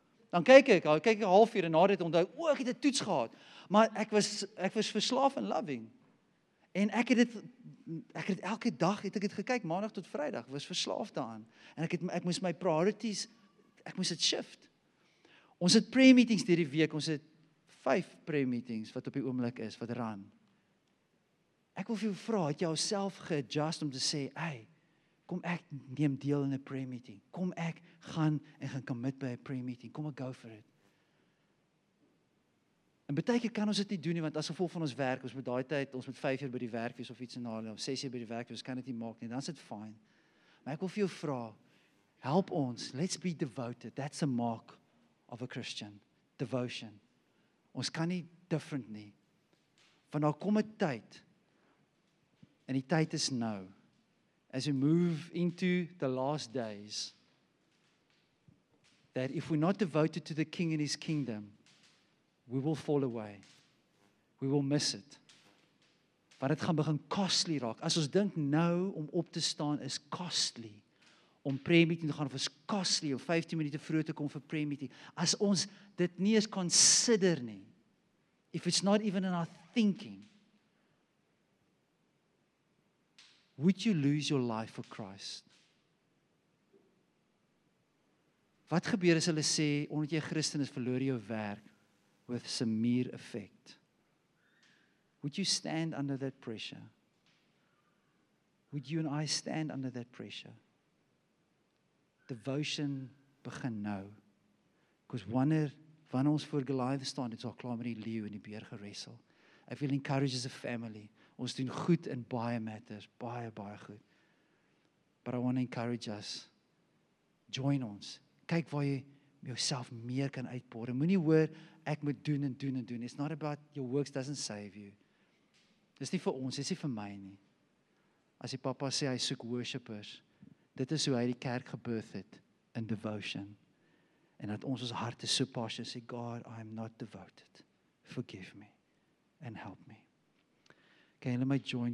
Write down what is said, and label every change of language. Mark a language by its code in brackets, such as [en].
[af] Dan kyk ek 1:30 en na dit onthou, ek het 'n toets gehad. Maar ek was verslaaf aan Loving. En ek het elke dag het ek dit gekyk, maandag tot vrydag, was verslaaf daaraan. En ek moes my priorities, ek moes dit shift. Ons het prayer meetings hierdie week, ons het 5 prayer meetings wat op die oomblik is, wat run. Ek wil vir jou vra, het jy jouself geadjust om te sê, hey, kom ek neem deel in 'n prayer meeting. Kom ek gaan commit by 'n prayer meeting. Kom ek [en] go for it. [af] En baie keer kan ons dit nie doen nie, want as gevolg van ons werk, ons moet daai tyd, ons moet 5:00 by die werk wees of iets en daarna, of 6:00 by die werk wees, kan dit nie maak nie, dan is dit fine. Maar ek wil vir jou vra, help ons, [en] let's be devoted. That's a mark of a Christian. Devotion. [af] Ons kan nie different nie. Want daar kom 'n tyd, en die tyd is nou, [en] as we move into the last days, that if we're not devoted to the King and His kingdom, we will fall away. We will miss it. [af] Want dit gaan begin costly raak. As ons dink nou om op te staan is costly, om prayer meeting te gaan, of is costly om 15 minute vroeg te kom vir prayer meeting, as ons dit nie eens consider nie, [en] if it's not even in our thinking, would you lose your life for Christ? [af] Wat gebeur as hulle sê, omdat jy Christen is, verloor jou werk [en] with some mere effect? Would you stand under that pressure? Would you and I stand under that pressure? [af] Devotion begin nou. Because wanneer ons voor Goliath staan, het al klaar met die leeu en die beer geresel. [en] I feel encouraged as a family. [af] Ons doen goed in baie matters, baie, baie goed. [en] But I want to encourage us. [af] Join ons. Kyk waar jy jouself meer kan uitbore. Moenie hoor, ek moet doen en doen en doen. [en] It's not about your works doesn't save you. [af] Dis nie vir ons, dis nie vir my nie. As die papa sê, hy soek worshippers, dit is hoe hy die kerk gebirth het, in devotion. En dat ons harte so pas, en sê, God, [en] I am not devoted. Forgive me and help me. [af] Kan jy my join?